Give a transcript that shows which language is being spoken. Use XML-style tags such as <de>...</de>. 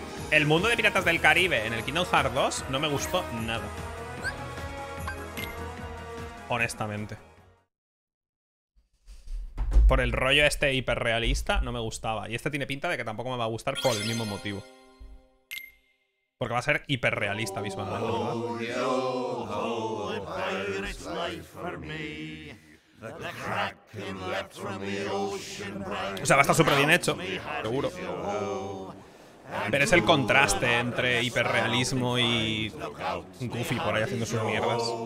<es>El mundo de Piratas del Caribe en el Kingdom Hearts 2 no me gustó nada. Honestamente. Por el rollo este hiperrealista no me gustaba. Y este tiene pinta de que tampoco me va a gustar por el mismo motivo. Porque va a ser hiperrealista misma, ¿verdad?</es> <en>Oh, yo, ho, the pirate's life for me.</en> <es>O sea, va a estar súper bien hecho, seguro. Pero es el contraste entre hiperrealismo y Goofy por ahí haciendo sus mierdas.</es>